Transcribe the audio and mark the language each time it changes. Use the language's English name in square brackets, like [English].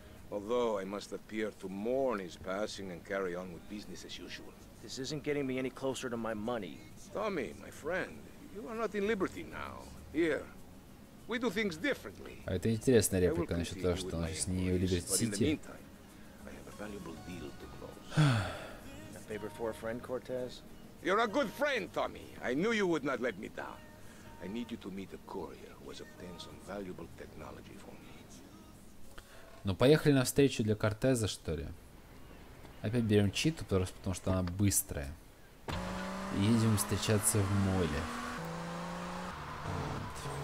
[English] Although I must appear to mourn his passing and carry on with business as usual. This isn't getting me any closer to my money. Tommy, my friend, you are not in liberty now. Here, we do things differently. [Russian] А это интересная реплика насчет того, что он сейчас не в Либерти-Сити. [English] I have a valuable deal to close. A favor for a friend, Cortez? You're a good friend, Tommy. I knew you would not let me down. I need you to meet a courier who has obtained some valuable technology for me. [Russian] Ну, поехали на встречу для Кортеза, что ли. Опять берем читу, просто потому что она быстрая. И едем встречаться в моле. Вот.